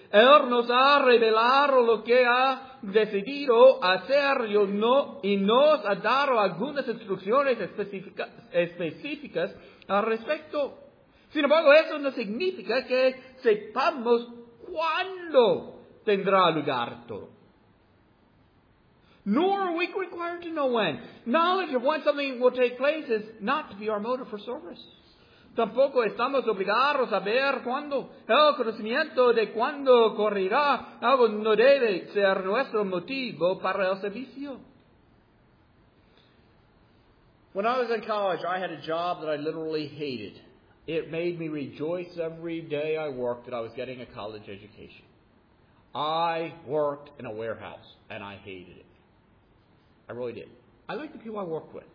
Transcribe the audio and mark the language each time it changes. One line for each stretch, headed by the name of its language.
Spanish: Él nos ha revelado lo que ha decidido hacer y nos ha dado algunas instrucciones específicas al respecto. Sin embargo, eso no significa que sepamos cuándo tendrá lugar todo.
English: Nor are we required to know when. Knowledge of when something will take place is not to be our motive for service.
Spanish: Tampoco estamos obligados a ver cuándo. El conocimiento de cuándo ocurrirá algo no debe ser nuestro motivo para el servicio.
English: When I was in college, I had a job that I literally hated. It made me rejoice every day I worked that I was getting a college education. I worked in a warehouse, and I hated it. I really did. I liked the people I worked with.